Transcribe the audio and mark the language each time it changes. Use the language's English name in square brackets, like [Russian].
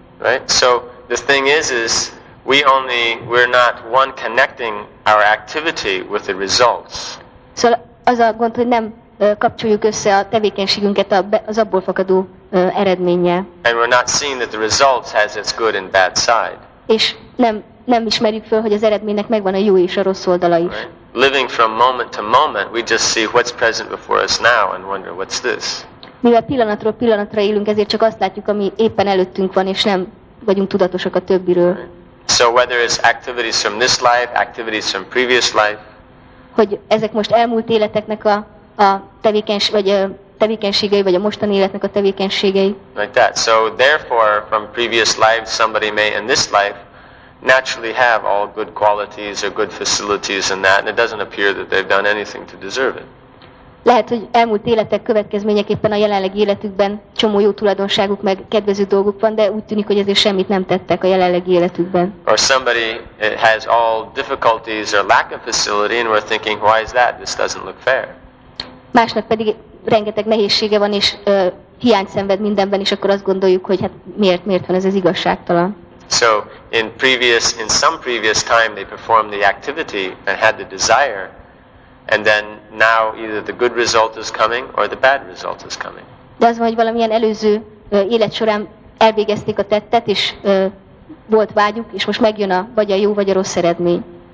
[English] Right, so the thing is we're not one connecting our activity with the results. [Hungarian] Szóval az a gond, hogy nem kapcsoljuk össze a tevékenységünket az abból fakadó eredménnyel. [English] And we're not seeing that the results has its good and bad side. [Hungarian] És nem nem ismerjük föl, hogy az eredménynek megvan a jó és a rossz oldala is. [English] Right. Living from moment to moment, we just see what's present before us now and wonder what's this. [Hungarian] Mivel pillanatról pillanatra élünk, ezért csak azt látjuk, ami éppen előttünk van, és nem vagyunk tudatosak a többiről. [English] Right. So whether it's activities from this life, activities from previous life. [Hungarian] Hogy ezek most elmúlt életeknek a tevékenységei, vagy a mostani életnek a tevékenységei. [English] Like that. So therefore, from previous lives, somebody may in this life naturally have all good qualities or good facilities and that, and it doesn't appear that they've done anything to deserve it. [Hungarian] Lehet, hogy elmúlt életek következményeképpen a jelenlegi életükben csomó jó tulajdonságuk meg kedvező dolguk van, de úgy tűnik, hogy ezért semmit nem tettek a jelenlegi életükben. [English] Or somebody has all difficulties or lack of facility and we're thinking, why is that? This doesn't look fair. [Hungarian] Másnak pedig rengeteg nehézsége van és hiányt szenved mindenben, és akkor azt gondoljuk, hogy hát miért van ez az igazságtalan. [English] So in some previous time they performed the activity and had the desire, and then now either the good result is coming or the bad result is coming. [Hungarian] De az van, hogy valamilyen előző élet során elvégezték a tettet, és volt vágyuk, és most megjön a vagy a jó vagy a rossz eredmény.